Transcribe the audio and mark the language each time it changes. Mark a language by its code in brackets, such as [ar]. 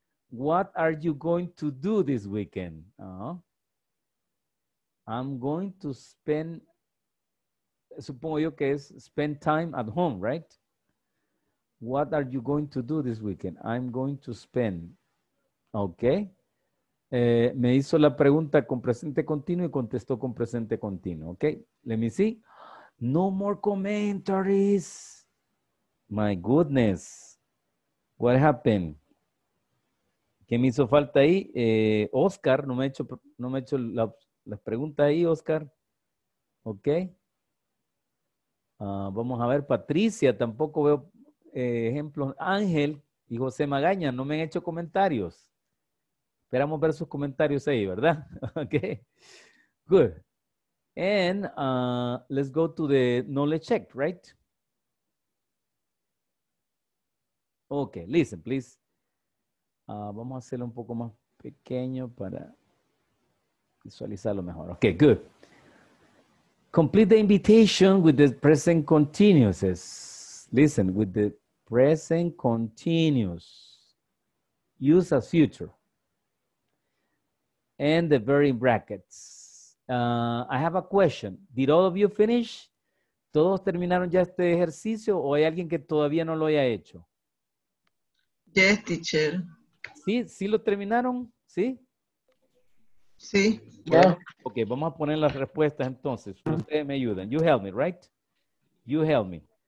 [en] What are you going to do this weekend? I'm going to spend, [es] supongo yo que es [en] spend time at home, right? What are you going to do this weekend? I'm going to spend, okay. [es] Me hizo la pregunta con presente continuo y contestó con presente continuo, okay. [en] Let me see. No more commentaries. My goodness, what happened? [es] ¿Qué me hizo falta ahí? Oscar, no me ha hecho la pregunta ahí, Oscar. Ok. Vamos a ver, Patricia, tampoco veo ejemplos. Ángel y José Magaña, no me han hecho comentarios. Esperamos ver sus comentarios ahí, ¿verdad? Ok, good. [en] And let's go to the knowledge check, right? Okay, listen, please. [es] Vamos a hacerlo un poco más pequeño para visualizarlo mejor. [en] Okay, good. Complete the invitation with the present continuous. Listen, with the present continuous. Use as future. And the verb in brackets. I have a question. Did all of you finish? [es] ¿Todos terminaron ya este ejercicio o hay alguien que todavía no lo haya hecho? [en] Yes, teacher. [es] ¿Sí? ¿Sí lo terminaron? ¿Sí? Sí. Yeah. Ok, vamos a poner las respuestas entonces. Ustedes me ayudan. [en] You help me, right? You help me.